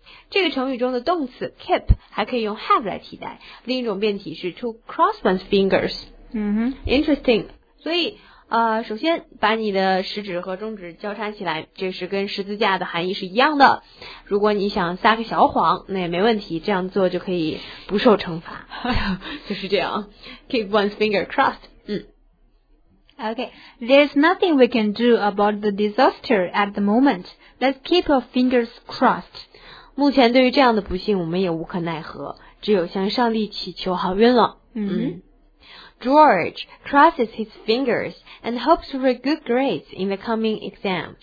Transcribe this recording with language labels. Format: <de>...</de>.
<zh>这个成语中的动词 keep 还可以用 have 来替代，另一种变体是 to cross one's fingers。 Interesting。所以首先把你的食指和中指交叉起来，这是跟十字架的含义是一样的。如果你想撒个小谎，那也没问题，这样做就可以不受惩罚。</zh> <en>就是这样 keep one's finger crossed. Okay, there's nothing we can do about the disaster at the moment. Let's keep our fingers crossed.</en> <zh>目前对于这样的不幸我们也无可奈何，只有向上帝祈求好运了。</zh> <en>George crosses his fingers and hopes for good grades in the coming exam.</en>